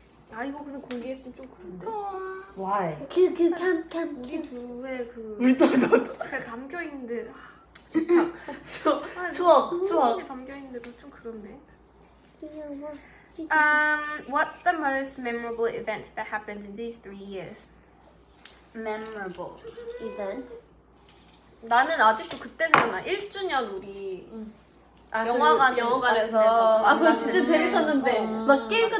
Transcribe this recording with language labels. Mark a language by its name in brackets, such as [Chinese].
[Korean] 아 이거 그냥 공개했으면 좀 그런데. [English] Why? [Korean] 캠캠캠 우리 둘의 그 우리 둘 담겨 있는데 집착. 추억. 담겨 있는데도 좀 그렇네. [English] What's the most memorable event that happened in these 3 years? Memorable event? [Korean] 나는 아직도 그때 생각나. 1주년 우리. 아, 영화관에서 아 그거 진짜 재밌었는데 막 게임 맞아.